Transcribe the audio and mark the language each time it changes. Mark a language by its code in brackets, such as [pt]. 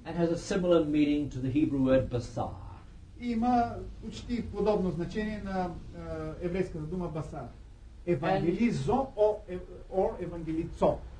[en] And has a similar meaning to the Hebrew word basar. [bg] Има почти подобно значение на еврейската дума басар. Евангелизо or евангелицо.